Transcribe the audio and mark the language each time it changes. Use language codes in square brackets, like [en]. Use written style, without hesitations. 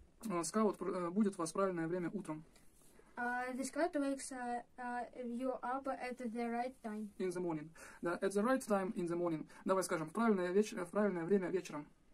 [ru] Scout будет вас правильное время утром. [en] The Scout wakes you up at the right time. In the morning. Да, at the right time in the morning. [ru] Давай скажем, в правильное время вечером.